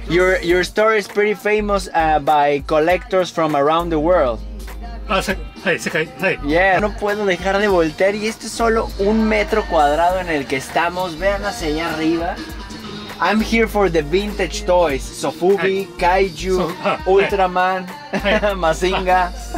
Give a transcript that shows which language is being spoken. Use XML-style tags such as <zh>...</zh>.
<en>Your store is pretty famous by collectors from around the world.</en> <es>Sí. Yeah. No puedo dejar de voltear y esto es solo 1 metro cuadrado en el que estamos. Vean hacia allá arriba.</es> <en>I'm here for the vintage toys. Sofubi, Kaiju, Ultraman, Mazinga.</en>